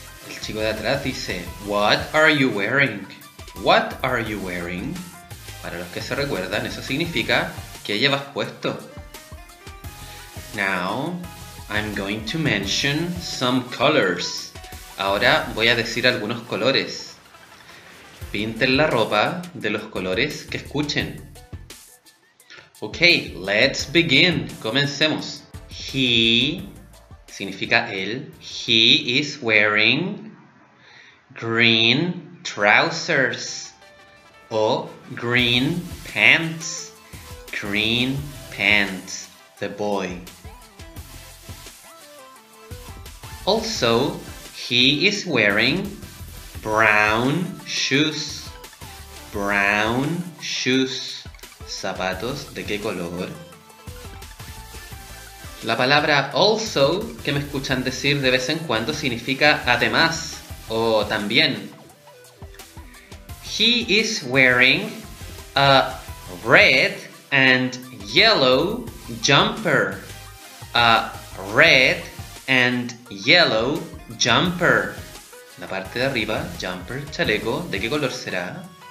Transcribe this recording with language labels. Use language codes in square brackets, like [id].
[es] El chico de atrás dice, [en] What are you wearing? What are you wearing? [es] Para los que se recuerdan, eso significa, ¿qué llevas puesto? [en] Now, I'm going to mention some colors. [es] Ahora voy a decir algunos colores. Pinten la ropa de los colores que escuchen. [en] Okay, let's begin. [es] Comencemos. [en] He... [es] significa él. [en] He is wearing green trousers o green pants. Green pants. The boy. Also, he is wearing brown shoes. Brown shoes. [es] ¿Zapatos de qué color? La palabra also, que me escuchan decir de vez en cuando, significa además o también. [en] He is wearing a red and yellow jumper. A red and yellow jumper. [es] La parte de arriba, jumper, chaleco, ¿de qué color será?